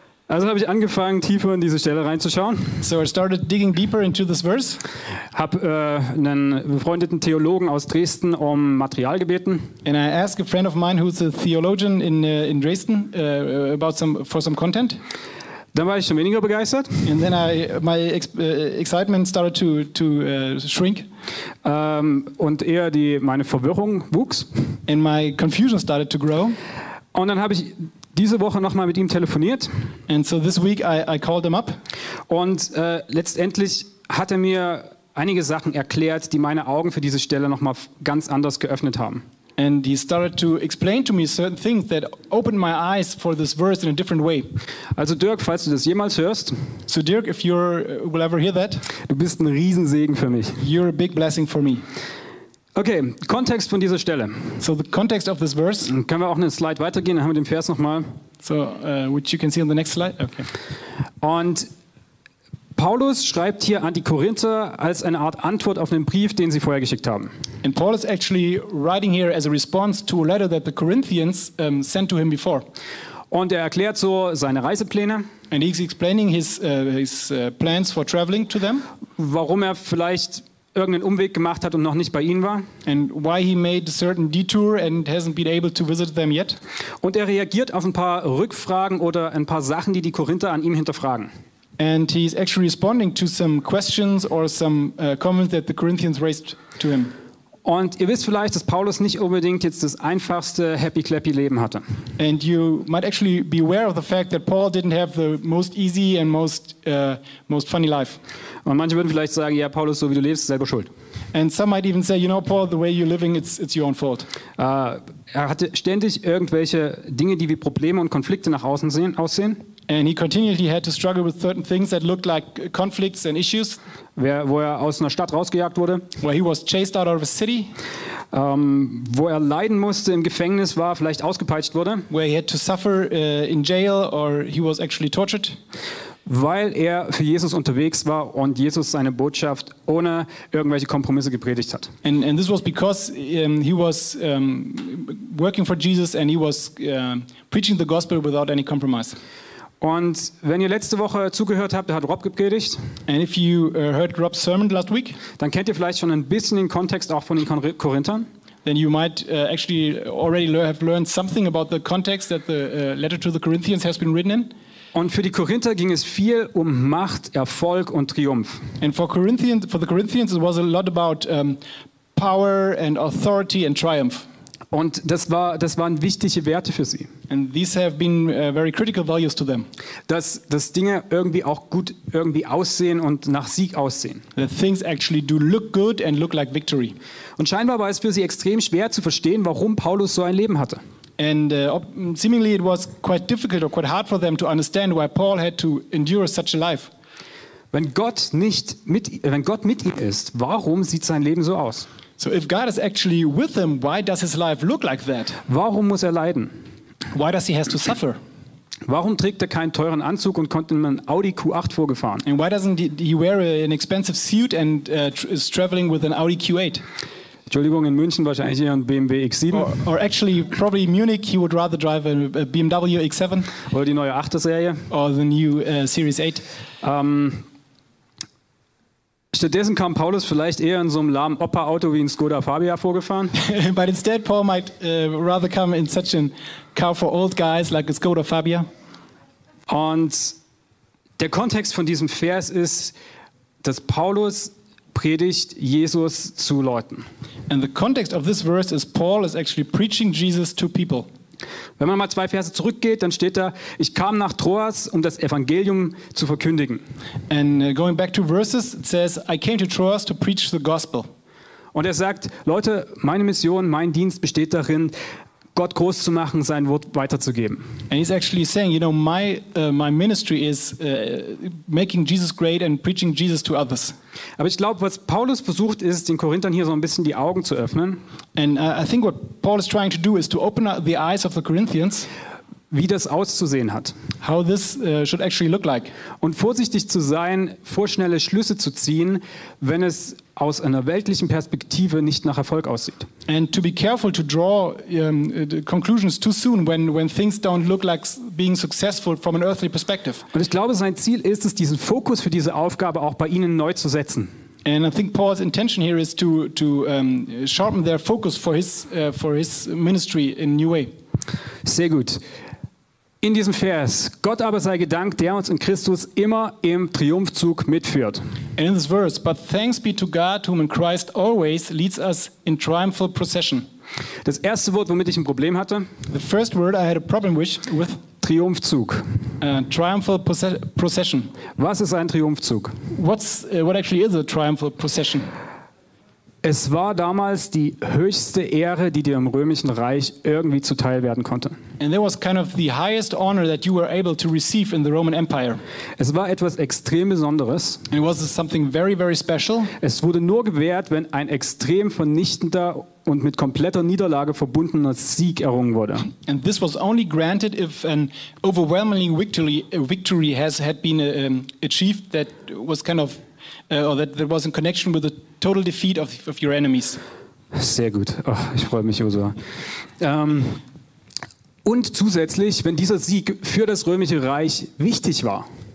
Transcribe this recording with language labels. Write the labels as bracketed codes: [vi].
[de] Also habe ich angefangen, tiefer in diese Stelle reinzuschauen. [en] So I started digging deeper into this verse. [de] Hab einen befreundeten Theologen aus Dresden um Material gebeten. [en] And I asked a friend of mine who's a theologian in Dresden about some for some content. [de] Dann war ich schon weniger begeistert. [en] And then my excitement started to shrink. [de] Und eher meine Verwirrung wuchs. [en] And my confusion started to grow. [de] Und dann habe ich diese Woche nochmal mit ihm telefoniert. [en] And so this week I called him up. [de] Und letztendlich hat er mir einige Sachen erklärt, die meine Augen für diese Stelle nochmal ganz anders geöffnet haben. [en] And he started to explain to me certain things that opened my eyes for this verse in a different way. [de] Also Dirk, falls du das jemals hörst, [en] so Dirk, if you will ever hear that, [de] du bist ein Riesensegen für mich. [en] You're a big blessing for me. [de] Okay, Kontext von dieser Stelle. [en] So the context of this verse. [de] Können wir auch eine Slide weitergehen? Dann haben wir den Vers nochmal. [en] So, which you can see on the next slide. Okay. [de] Und Paulus schreibt hier an die Korinther als eine Art Antwort auf einen Brief, den sie vorher geschickt haben. [en] And Paul is actually writing here as a response to a letter that the Corinthians sent to him before. [de] Und er erklärt so seine Reisepläne. [en] And he's explaining his plans for traveling to them. [de] Warum er vielleicht irgendeinen Umweg gemacht hat und noch nicht bei ihnen war. [en] And why he made a certain detour and hasn't been able to visit them yet. [de] Und er reagiert auf ein paar Rückfragen oder ein paar Sachen, die Korinther an ihm hinterfragen. [en] And he's actually responding to some questions or some comments that the Corinthians raised to him. [de] Und ihr wisst vielleicht, dass Paulus nicht unbedingt jetzt das einfachste [en] happy clappy [de] Leben hatte. [en] And you might actually be aware of the fact that Paul didn't have the most easy and most funny life. [de] Und manche würden vielleicht sagen, ja, Paulus, so wie du lebst, ist selber schuld. [en] And some might even say, you know, Paul, the way you're living, it's your own fault. [de] Er hatte ständig irgendwelche Dinge, die wie Probleme und Konflikte nach außen aussehen. [en] And he continually had to struggle with certain things that looked like conflicts and issues. [de] Wo er aus einer Stadt rausgejagt wurde. [en] Where he was chased out of a city. [de] Wo er leiden musste, im Gefängnis war, vielleicht ausgepeitscht wurde. [en] Where he had to suffer in jail or he was actually tortured. [de] Weil er für Jesus unterwegs war und Jesus seine Botschaft ohne irgendwelche Kompromisse gepredigt hat. [en] And this was because he was working for Jesus and he was preaching the gospel without any compromise. [de] Und wenn ihr letzte Woche zugehört habt, da hat Rob gepredigt. [en] And if you heard Rob's sermon last week, [de] dann kennt ihr vielleicht schon ein bisschen den Kontext auch von den Korinthern. [en] Then you might actually already have learned something about the context that the letter to the Corinthians has been written in. [de] Und für die Korinther ging es viel um Macht, Erfolg und Triumph. [en] And for the Corinthians it was a lot about power and authority and triumph. [de] Und das waren wichtige Werte für sie. [en] And these have been very critical values to them. [de] Dass Dinge irgendwie auch gut irgendwie aussehen und nach Sieg aussehen. [en] That things actually do look good and look like victory. [de] Und scheinbar war es für sie extrem schwer zu verstehen, warum Paulus so ein Leben hatte. [en] And seemingly it was quite difficult or quite hard for them to understand why Paul had to endure such a life. [de] Wenn Gott mit ihm ist, warum sieht sein Leben so aus? [en] So if God is actually with him, why does his life look like that? [de] Warum muss er leiden? [en] Why does he have to suffer? [de] Warum trägt er keinen teuren Anzug und kommt in einem Audi Q8 vorgefahren? [en] And why doesn't he wear an expensive suit and is traveling with an Audi Q8? [de] Entschuldigung, in München wahrscheinlich eher ein BMW X7. [en] Or actually, probably in Munich, he would rather drive a BMW X7. [de] Oder die neue 8er Serie. [en] Or the new Series 8. [de] Stattdessen kam Paulus vielleicht eher in so einem lahmen Opa-Auto wie ein Skoda Fabia vorgefahren. [en] But instead, Paul might rather come in such a car for old guys like a Skoda Fabia. [de] Und der Kontext von diesem Vers ist, dass Paulus predigt Jesus zu Leuten. [en] And the context of this verse is Paul is actually preaching Jesus to people. [de] Wenn man mal zwei Verse zurückgeht, dann steht da, ich kam nach Troas, um das Evangelium zu verkündigen. [en] And going back to verses, it says, I came to Troas to preach the gospel. [de] Und er sagt, Leute, meine Mission, mein Dienst besteht darin, Gott groß zu machen, sein Wort weiterzugeben. [en] And he's actually saying, you know, my ministry is making Jesus great and preaching Jesus to others. [de] Aber ich glaube, was Paulus versucht, ist, den Korinthern hier so ein bisschen die Augen zu öffnen. [en] And I think what Paul is trying to do is to open the eyes of the Corinthians. [de] Wie das auszusehen hat. [en] How this should actually look like. [de] Und vorsichtig zu sein, vorschnelle Schlüsse zu ziehen, wenn es aus einer weltlichen Perspektive nicht nach Erfolg aussieht. [en] And to be careful to draw conclusions too soon when things don't look like being successful from an earthly perspective. [de] Und ich glaube, sein Ziel ist es, diesen Fokus für diese Aufgabe auch bei ihnen neu zu setzen. [en] And I think Paul's intention here is to sharpen their focus for his ministry in a new way. [de] Sehr gut. In diesem Vers: Gott aber sei gedankt, der uns in Christus immer im Triumphzug mitführt. [en] And in this verse, but thanks be to God, whom in Christ always leads us in triumphal procession. [de] Das erste Wort, womit ich ein Problem hatte. [en] The first word I had a problem with. [de] Triumphzug. [en] Triumphal procession. [de] Was ist ein Triumphzug? [en] What actually is a triumphal procession? [de] Es war damals die höchste Ehre, die dir im Römischen Reich irgendwie zuteil werden konnte. [en] And there was kind of the highest honor that you were able to receive in the Roman Empire. [de] Es war etwas extrem Besonderes. [en] And it was something very, very special. [de] Es wurde nur gewährt, wenn ein extrem vernichtender und mit kompletter Niederlage verbundener Sieg errungen wurde. [en] And this was only granted if an overwhelmingly victory had been achieved that was kind of or that there was in connection with the total defeat of your enemies. [de] Sehr gut. Oh, ich freue mich, Josua. Und zusätzlich, wenn dieser Sieg für das Römische Reich wichtig war.